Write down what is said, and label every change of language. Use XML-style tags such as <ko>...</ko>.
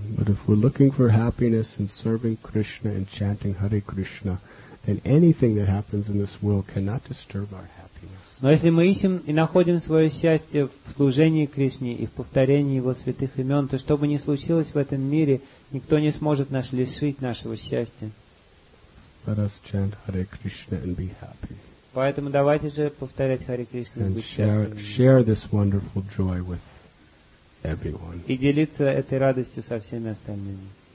<en>But if we're looking for happiness in serving Krishna and chanting Hare Krishna, then anything that happens in this world cannot disturb our happiness.</en> <ru>Но если мы ищем и находим свое счастье в служении Кришне и в повторении Его святых имен, то что бы ни случилось в этом мире, никто не сможет нас лишить нашего счастья.</ru> <en>Let us chant Hare Krishna and be happy.</en> <ru>Поэтому давайте же повторять Харе Кришна</ru> <en>and share this wonderful joy with everyone.</en> <ru>И делиться этой радостью со всеми остальными.</ru>